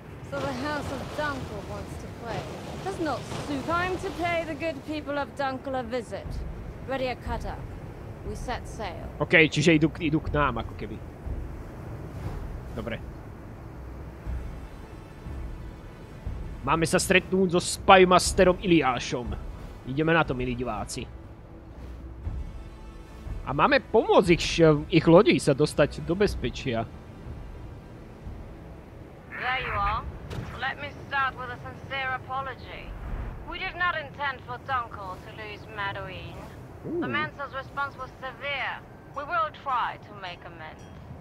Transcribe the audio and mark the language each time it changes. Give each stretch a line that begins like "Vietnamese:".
English: So the house of Dunkle wants to play. Does not suit. Time to pay the good people of Dunkle a visit. Ready a cutter. We set sail.
Slovak: OK, čiže idú k nám, ako keby. Dobre. Máme sa stretnúť so Spymasterom Iliášom. Ideme na to, milí diváci. A máme pomôcť ich lodi sa dostať do bezpečia.
English: There you are. Let me start with a sincere apology. We did not intend for Dunkle to lose Madoine. The Mensa's response was severe. We will try to make amends.